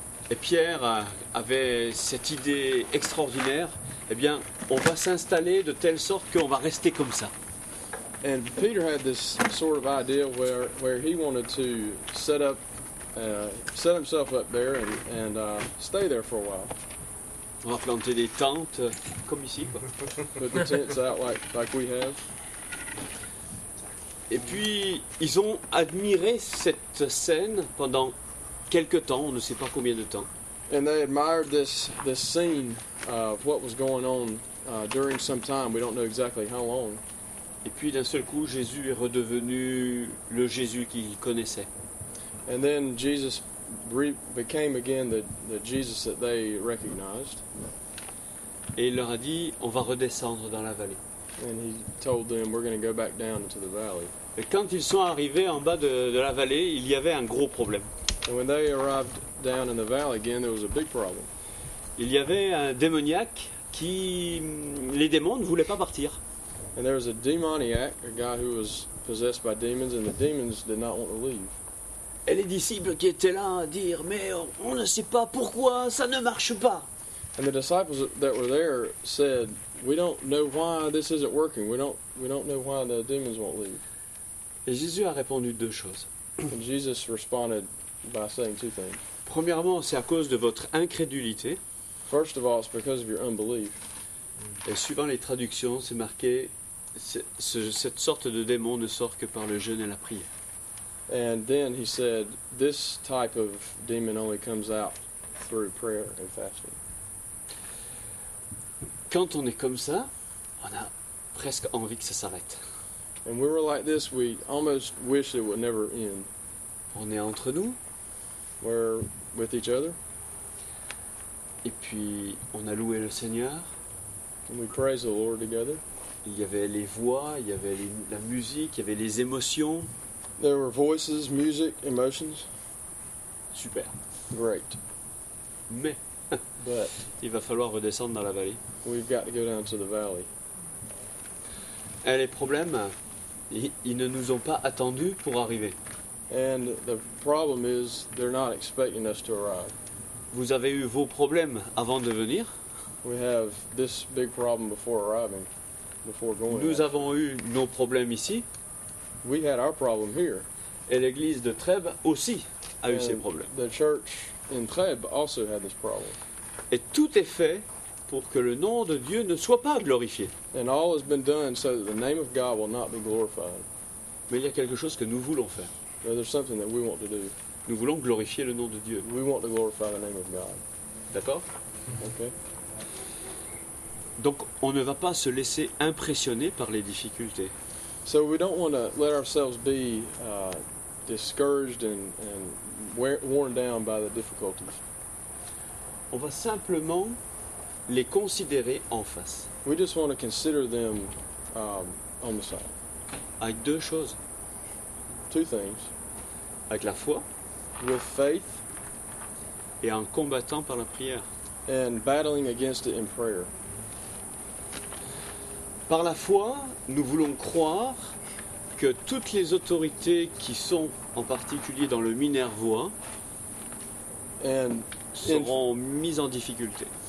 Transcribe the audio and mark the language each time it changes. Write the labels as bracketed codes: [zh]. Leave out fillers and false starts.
[fr] Et Pierre avait cette idée extraordinaire, eh bien, on va s'installer de telle sorte qu'on va rester comme ça. [en] And Peter had this sort of idea where he wanted to set himself up there and stay there for a while. [fr] On va planter des tentes comme ici, quoi. [en] Put the tents out like we have. [fr] Et puis ils ont admiré cette scène pendant quelque temps, on ne sait pas combien de temps. [en] And they admired this scene of what was going on during some time. We don't know exactly how long. [fr] Et puis d'un seul coup, Jésus est redevenu le Jésus qu'ils connaissaient. [en] And then Jesus became again the Jesus that they recognized. [fr] Et il leur a dit, on va redescendre dans la vallée. [en] And he told them, we're going to go back down into the valley. [fr] Et quand ils sont arrivés en bas de la vallée, il y avait un gros problème. [en] And when they arrived down in the valley again, there was a big problem. [fr] Il y avait un démoniaque qui... Les démons ne voulaient pas partir. [en] And there was a demoniac, a guy who was possessed by demons, and the demons did not want to leave. [fr] Et les disciples qui étaient là à dire, mais on ne sait pas pourquoi ça ne marche pas. [en] And the disciples that were there said, we don't know why this isn't working. We don't know why the demons won't leave. [fr] Et Jésus a répondu deux choses. [en] And Jesus responded by saying two things. [fr] Premièrement, c'est à cause de votre incrédulité. [en] First of all, it's because of your unbelief. [fr] Et suivant les traductions, c'est marqué, cette sorte de démon ne sort que par le jeûne et la prière. [en] And then he said, this type of demon only comes out through prayer and fasting. [fr] Quand on est comme ça, on a presque envie que ça s'arrête. [en] And we were like this, we almost wish it would never end. [fr] On est entre nous. [en] We're with each other. [fr] Et puis, on a loué le Seigneur. [en] And we praise the Lord together. [fr] Il y avait les voix, il y avait la musique, il y avait les émotions. [en] There were voices, music, emotions. [fr] Super. [en] Great. [fr] Mais, [en] but [fr] il va falloir redescendre dans la vallée. [en] We've got to go down to the valley. [fr] Et les problèmes, ils ne nous ont pas attendus pour arriver. [en] And the problem is, they're not expecting us to arrive. [fr] Vous avez eu vos problèmes avant de venir. [en] We have this big problem before arriving, before going. [fr] Nous avons eu nos problèmes ici. [en] We had our problem here. [fr] Et l'église de Trèbes aussi a [en] and [fr] eu ces problèmes. [en] The church in Trèbes also had this problem. [fr] Et tout est fait pour que le nom de Dieu ne soit pas glorifié. [en] And all has been done so that the name of God will not be glorified. [fr] Mais il y a quelque chose que nous voulons faire. [en] But there's something that we want to do. [fr] Nous voulons glorifier le nom de Dieu. [en] We want to glorify the name of God. [fr] D'accord? [en] Okay. [fr] Donc on ne va pas se laisser impressionner par les difficultés. [en] So we don't want to let ourselves be discouraged and worn down by the difficulties. [fr] On va simplement les considérer en face. [en] We just want to consider them on the side. [fr] Avec deux choses. [en] Two things. [fr] Avec la foi. [en] With faith. [fr] Et en combattant par la prière. [en] And battling against it in prayer. [fr] Par la foi, nous voulons croire que toutes les autorités qui sont en particulier dans le Minervois [en] and [fr] seront mises en difficulté.